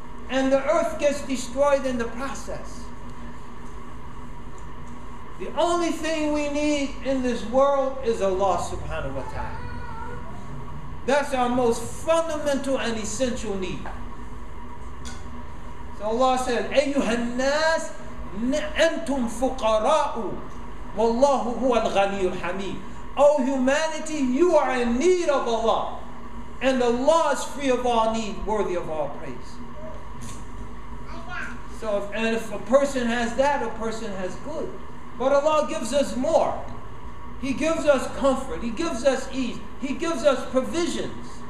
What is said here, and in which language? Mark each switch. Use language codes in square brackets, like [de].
[en] And the earth gets destroyed in the process. The only thing we need in this world is Allah subhanahu wa ta'ala. That's our most fundamental and essential need. So Allah said, [ar] أَيُّهَا النَّاسِ أَنْتُمْ فُقَرَاءُ وَاللَّهُ هُوَ الْغَنِيُّ الْحَمِيدُ. [en] O humanity, you are in need of Allah. And Allah is free of all need, worthy of all praise. So if a person has that, a person has good. But Allah gives us more. He gives us comfort. He gives us ease. He gives us provisions.